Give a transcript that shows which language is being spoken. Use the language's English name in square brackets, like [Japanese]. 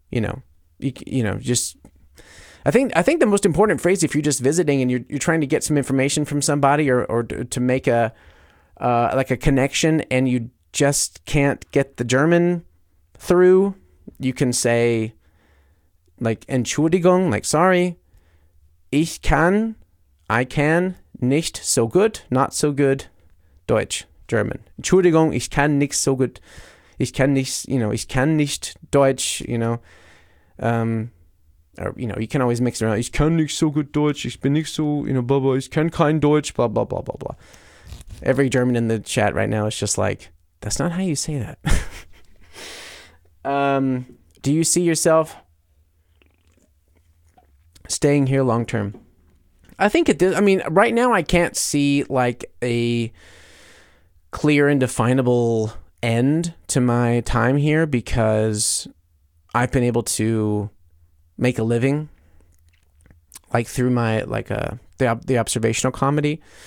[English] You know, I think the most important phrase, if you're just visiting and you're trying to get some information from somebody or to make a like a connection, and you just can't get the German through, you can say, like, [German] Entschuldigung, [English] like, sorry, I can [German] nicht so gut, [English] not so good, Deutsch, German. [German] Entschuldigung, ich kann nicht so gut, ich kann nicht Deutsch, [English] you know, or, you know, you can always mix it around, [German] ich kann nicht so gut Deutsch, ich bin nicht so, [English] you know, blah, blah, [German] ich kann kein Deutsch, blah, blah, blah, blah, blah. [English] Every German in the chat right now is just like, that's not how you say that. Do you see yourself staying here long term? I think right now I can't see, like, a clear and definable end to my time here, because I've been able to make a living, like, through my, like, the observational comedy.